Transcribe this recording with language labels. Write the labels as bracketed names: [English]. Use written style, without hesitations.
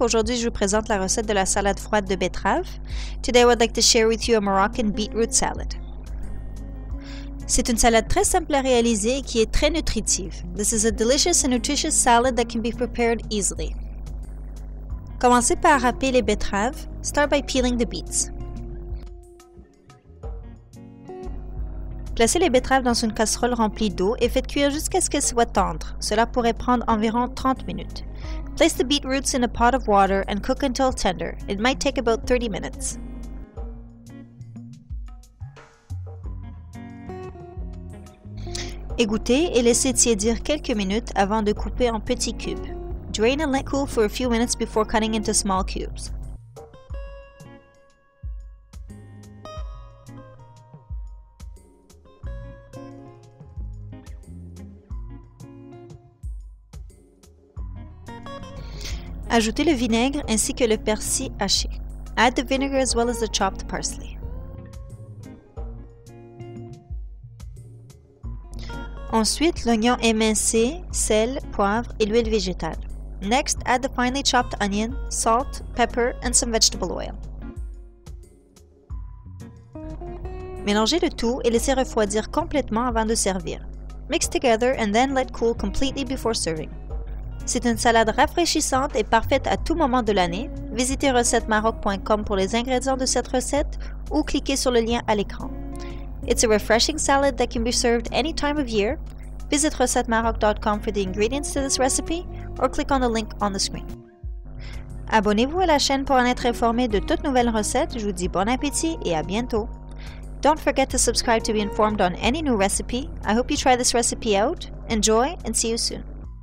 [French] Aujourd'hui, je vous présente la recette de la salade froide de betterave. [English] Today, I would like to share with you a Moroccan beetroot salad. [French] C'est une salade très simple à réaliser et qui est très nutritive. [English] This is a delicious and nutritious salad that can be prepared easily. [French] Commencez par râper les betteraves. [English] Start by peeling the beets. [French] Placez les betteraves dans une casserole remplie d'eau et faites cuire jusqu'à ce qu'elles soient tendres. Cela pourrait prendre environ 30 minutes. [English] Place the beetroots in a pot of water and cook until tender. It might take about 30 minutes. [French] Égouttez et laissez tiédir quelques minutes avant de couper en petits cubes. [English] Drain and let cool for a few minutes before cutting into small cubes. [French] Ajoutez le vinaigre ainsi que le persil haché. [English] Add the vinegar as well as the chopped parsley. [French] Ensuite, l'oignon émincé, sel, poivre et l'huile végétale. [English] Next, add the finely chopped onion, salt, pepper and some vegetable oil. [French] Mélangez le tout et laissez refroidir complètement avant de servir. [English] Mix together and then let cool completely before serving. [French] C'est une salade rafraîchissante et parfaite à tout moment de l'année. Visitez recettemaroc.com pour les ingrédients de cette recette ou cliquez sur le lien à l'écran. [English] It's a refreshing salad that can be served any time of year. Visit recettemaroc.com for the ingredients to this recipe or click on the link on the screen. [French] Abonnez-vous à la chaîne pour en être informé de toutes nouvelles recettes. Je vous dis bon appétit et à bientôt. [English] Don't forget to subscribe to be informed on any new recipe. I hope you try this recipe out. Enjoy and see you soon.